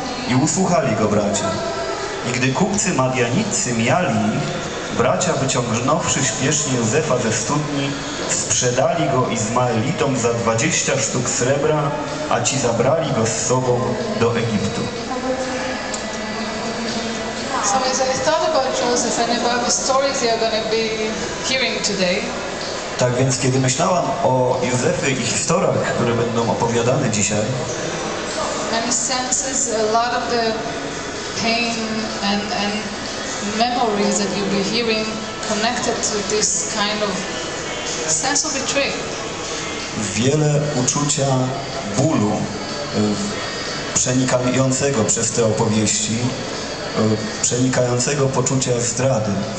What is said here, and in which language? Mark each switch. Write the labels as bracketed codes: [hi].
[pl] I usłuchali go bracia. I gdy kupcy Madianicy miali, bracia wyciągnąwszy śpiesznie Józefa ze studni, sprzedali go Izmaelitom za 20 sztuk srebra, a ci zabrali go z sobą do Egiptu. [en] So as I thought about Joseph and about the stories you are going to be hearing today. [pl] Tak więc, kiedy myślałam o Józefie i historiach, które będą opowiadane dzisiaj, [en] many senses, a lot of the pain and memories that you'll be hearing connected to this kind of sense of betrayal. [pl] Wiele uczucia bólu przenikającego przez te opowieści, przenikającego poczucia zdrady.